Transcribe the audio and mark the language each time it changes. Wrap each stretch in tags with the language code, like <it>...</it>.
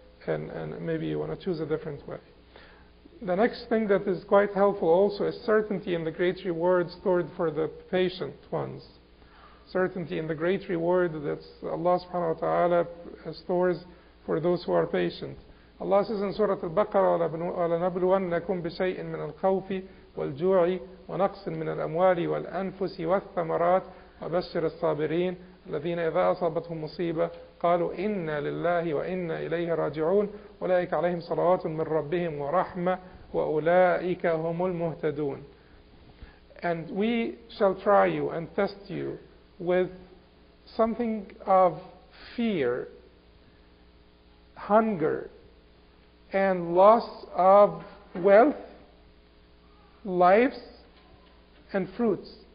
<en>And maybe you want to choose a different way. The next thing that is quite helpful also is certainty in the great reward stored for the patient ones. Certainty in the great reward that Allah subhanahu wa ta'ala stores for those who are patient. Allah says in Surah Al-Baqarah,</en> <ar>وَلَنَبْلُوَنَّكُمْ بِشَيْءٍ مِنَ الْخَوْفِ وَالْجُوعِ وَنَقْصٍ مِنَ الْأَمْوَالِ وَالْأَنْفُسِ وَالثَّمَرَاتِ وَبَشِّرِ الصَّابِرِينَ الَّذِينَ إِذَا أَصَابَتْهُمْ مُصِيبَةٌ قالوا إنا لله وإنا إليه راجعون أولئك عليهم صلوات من ربهم ورحمة وأولئك هم المهتدون.</ar> <en>And we shall try you and test you with something of fear, hunger, and loss of wealth, lives, and fruits.</en>